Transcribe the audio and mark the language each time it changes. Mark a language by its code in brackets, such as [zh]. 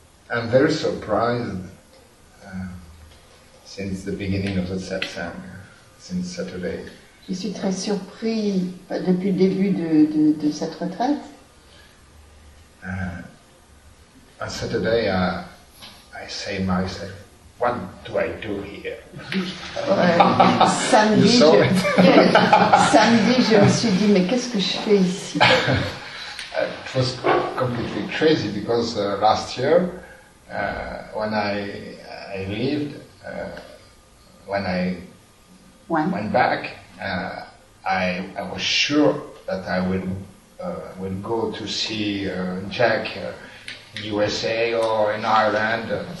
[en] I'm very surprised since the beginning of the satsang, since Saturday. [fr] Je suis très surpris depuis le début de cette retraite. [en] On Saturday, I say myself, what do I do here? [fr] Samedi, samedi, je me suis dit, mais qu'est-ce que je fais ici? [en] It was completely crazy because last year, when I lived, when I went back, I was sure that I would go to see Jack in USA or in Ireland.